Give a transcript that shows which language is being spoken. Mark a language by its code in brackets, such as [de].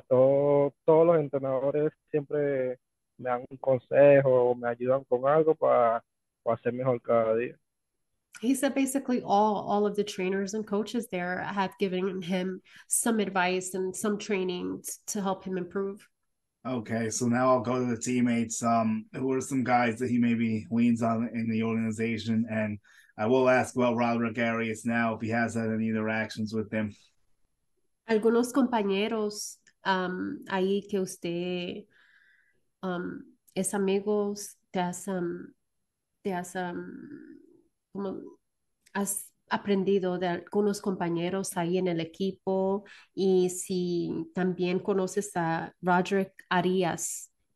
[es] Todos los entrenadores siempre me dan un consejo o me ayudan con algo para hacer mejor cada día. [en] He said basically all of the trainers and coaches there have given him some advice and some training to help him improve. Okay, so now I'll go to the teammates. Who are some guys that he maybe leans on in the organization? And I will ask about Roderick Arias now, if he has had any interactions with him. [es] Algunos compañeros ahí que usted es amigos te has como has aprendido de algunos compañeros ahí en el equipo y si también conoces a Roderick Arias.